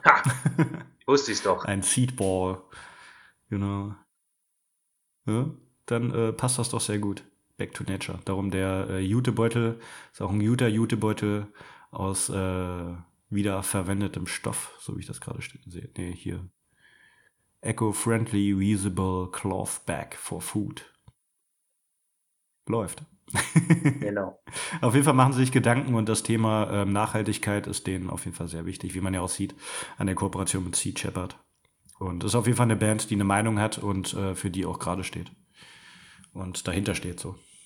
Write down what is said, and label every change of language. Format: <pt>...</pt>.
<de>Ha, wusste ich's doch. Ein Seedball. Genau. Ja, dann passt das doch sehr gut.</de> <en>Back to Nature.</en> <de>Darum der Jutebeutel, ist auch ein Jutebeutel aus wiederverwendetem Stoff, so wie ich das gerade sehe. Nee, hier.</de> <en>Eco-friendly, reusable cloth bag for food.</en> <de>Läuft. Genau. Auf jeden Fall machen sie sich Gedanken und das Thema Nachhaltigkeit ist denen auf jeden Fall sehr wichtig, wie man ja auch sieht, an der Kooperation mit Sea Shepherd. Und ist auf jeden Fall eine Band, die eine Meinung hat und für die auch gerade steht. Und dahinter steht so.</de>